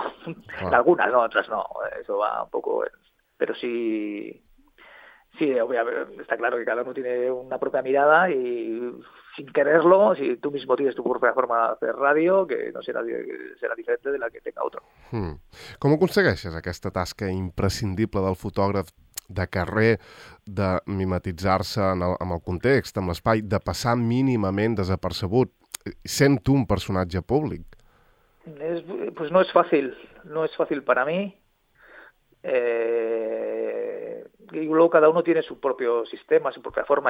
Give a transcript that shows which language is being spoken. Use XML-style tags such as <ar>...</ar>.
<es>Ah. Algunas, ¿no? Otras no. Eso va un poco. Pero sí, obviamente, está claro que cada uno tiene una propia mirada y sin quererlo, si tú mismo tienes tu propia forma de hacer radio, que no será diferente de la que tenga otro.</es> <ca>¿Cómo aconsegueixes aquesta tasca imprescindible del fotògraf de carrer, de mimetitzar-se amb el context, amb l'espai, de passar mínimament desapercebut, sent tu un personatge públic? Pues no és fàcil, no és fàcil per a mi.</ca> <es>I luego cada uno tiene su propio sistema, su propia forma.</es>